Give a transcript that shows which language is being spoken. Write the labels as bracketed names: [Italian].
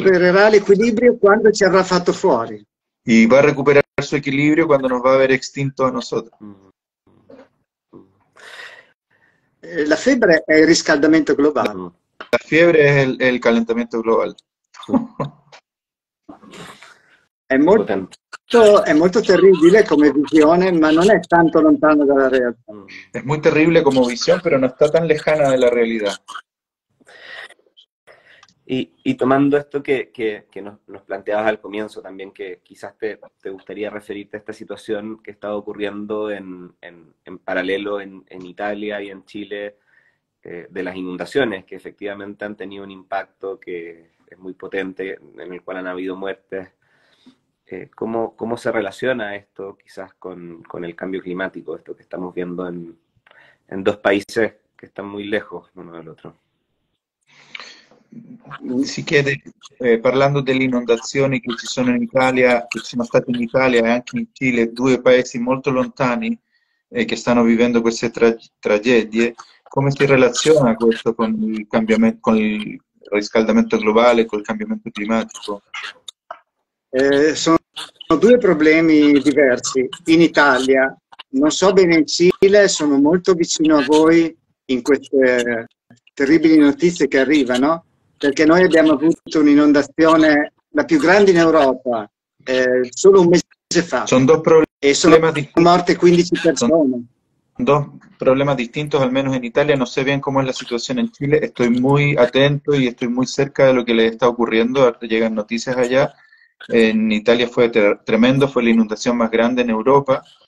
[Italian] Recupererà l'equilibrio quando ci avrà fatto fuori. [Spanish] Y va a recuperar su equilibrio cuando nos va a haber extinto a nosotros. [Italian] La febbre è il riscaldamento globale. [Spanish] La fiebre es el calentamiento global. Es muy terrible como visión, pero no es tanto [Italian] lontano [Spanish] de la realidad. Es muy terrible como visión, pero no está tan lejana de la realidad. Y tomando esto que nos planteabas al comienzo también, que quizás te gustaría referirte a esta situación que está ocurriendo en paralelo en Italia y en Chile, de las inundaciones que efectivamente han tenido un impacto que es muy potente, en el cual han habido muertes. ¿Cómo se relaciona esto quizás con el cambio climático, esto que estamos viendo en dos países que están muy lejos uno del otro? [Italian] Si chiede, parlando delle inondazioni che ci sono in Italia, che ci sono state in Italia e anche in Cile, due paesi molto lontani che stanno vivendo queste tragedie, come si relaziona questo con il cambiamento, con il riscaldamento globale, col cambiamento climatico? Sono due problemi diversi. In Italia, non so bene in Cile, sono molto vicino a voi in queste terribili notizie che arrivano, perché noi abbiamo avuto un'inondazione la più grande in Europa solo un mese fa. Sono due problemi e sono morte 15 persone. [Spanish] Dos problemas distintos, al menos en Italia. No sé bien cómo es la situación en Chile. Estoy muy atento y estoy muy cerca de lo que le está ocurriendo. Llegan noticias allá. En Italia fue tremendo, fue la inundación más grande en Europa.